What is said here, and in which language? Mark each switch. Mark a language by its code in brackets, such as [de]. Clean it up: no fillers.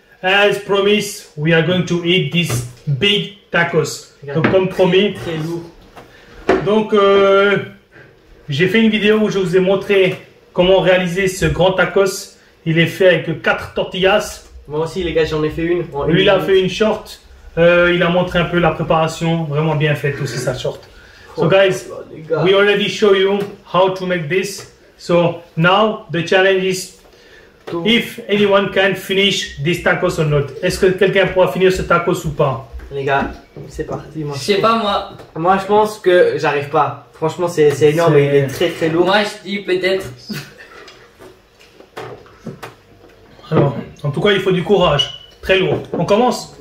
[en] As promised, we are going to eat this big tacos. [fr] Regarde, donc comme très, promis. Très lourd. Donc, j'ai fait une vidéo où je vous ai montré comment réaliser ce grand tacos. Il est fait avec 4 tortillas. Moi aussi les gars, j'en ai fait une. Lui, il a fait une short. Il a montré un peu la préparation, vraiment bien faite aussi sa short. [en] So guys, we already show you how to make this. So now the challenge is if anyone can finish this tacos or not. [fr] Est-ce que quelqu'un pourra finir ce tacos ou pas? Les gars, c'est parti. Moi, je sais pas moi. Moi je pense que j'arrive pas. Franchement c'est énorme, c'est... il est très très lourd. Moi je dis peut-être. Alors, en tout cas il faut du courage. Très lourd. On commence?